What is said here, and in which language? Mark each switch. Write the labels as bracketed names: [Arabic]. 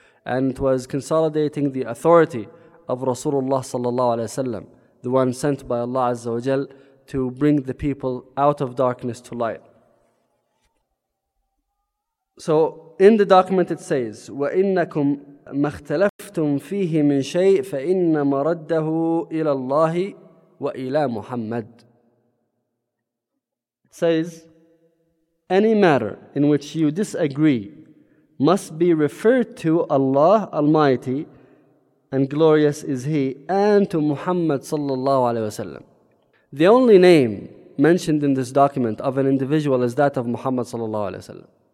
[English] And it was consolidating the authority of Rasulullah sallallahu alayhi wa sallam, the one sent by Allah Azza wa Jal to bring the people out of darkness to light. So in the document it says, وَإِنَّكُمْ [Arabic] ما اختلفتم فيه من شيء فإنما رده إلى الله وإلى محمد. [English] Says, any matter in which you disagree must be referred to Allah Almighty, and glorious is He, and to Muhammad sallallahu alaihi wasallam. The only name mentioned in this document of an individual is that of Muhammad sallallahu alaihi wasallam.